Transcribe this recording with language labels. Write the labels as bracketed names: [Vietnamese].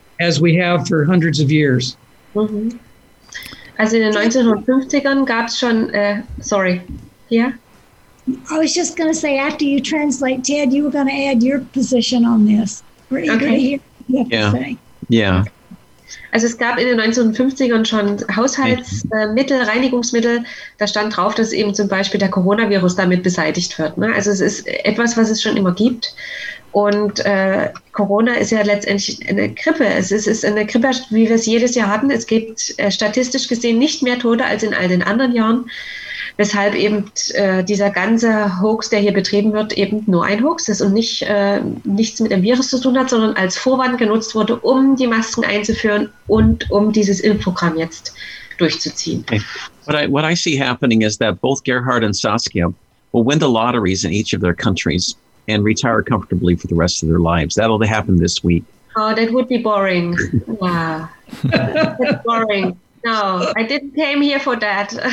[English] as we have for hundreds of years. [German] Mm-hmm. Also [English] in the 1950s [German] gab's schon, [English] I was just going to say, after you translate, Ted, you were going to add your position on this. We're eager okay. to hear what you have yeah. to say. Yeah. [German] Also es gab in den 1950ern schon Haushaltsmittel, Reinigungsmittel. Da stand drauf, dass eben zum Beispiel der Coronavirus damit beseitigt wird. Ne? Also es ist etwas, was es schon immer gibt. Und Corona ist ja letztendlich eine Grippe. Es ist eine Grippe, wie wir es jedes Jahr hatten. Es gibt statistisch gesehen nicht mehr Tote als in all den anderen Jahren. Weshalb eben dieser ganze Hoax, der hier betrieben wird, eben nur ein Hoax ist und nichts mit dem Virus zu tun hat, sondern als Vorwand genutzt wurde, um die Masken einzuführen und um dieses Impfprogramm jetzt durchzuziehen. Okay. [English] What I see happening is that both Gerhard and Saskia will win the lotteries in each of their countries and retire comfortably for the rest of their lives. That'll happen this week. Oh, that would be boring. Yeah. That's boring. No, I didn't came here for that.